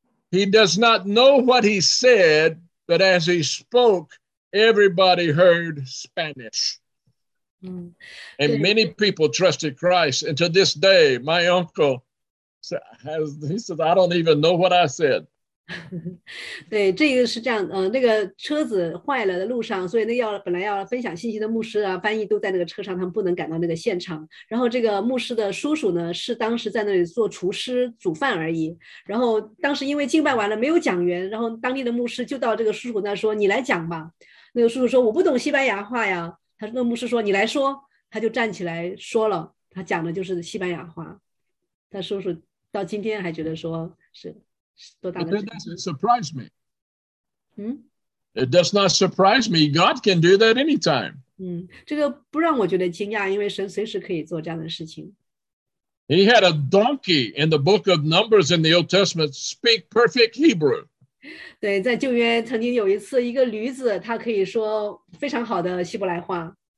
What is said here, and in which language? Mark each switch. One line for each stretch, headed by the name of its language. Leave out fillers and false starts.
English: He does not know what he said. But as he spoke, everybody heard Spanish. And many people trusted Christ. And to this day, my uncle, he says, I don't even know what I said.
Chinese: 对，这个是这样，那个车子坏了的路上，所以那个本来要分享信息的牧师啊，翻译都在那个车上，他们不能赶到那个现场。然后这个牧师的叔叔呢，是当时在那里做厨师煮饭而已。然后当时因为敬拜完了没有讲员，然后当地的牧师就到这个叔叔那说，你来讲吧。那个叔叔说，我不懂西班牙话呀。他说，那牧师说，你来说。他就站起来说了，他讲的就是西班牙话。他叔叔到今天还觉得说是。
English: But that doesn't surprise me. It does not surprise me. God can do that anytime.
Chinese: 这个不让我觉得惊讶，因为神随时可以做这样的事情。
English: He had a donkey in the book of Numbers in the Old Testament speak perfect Hebrew.
Chinese: 对，在旧约曾经有一次，一个驴子，它可以说非常好的希伯来话。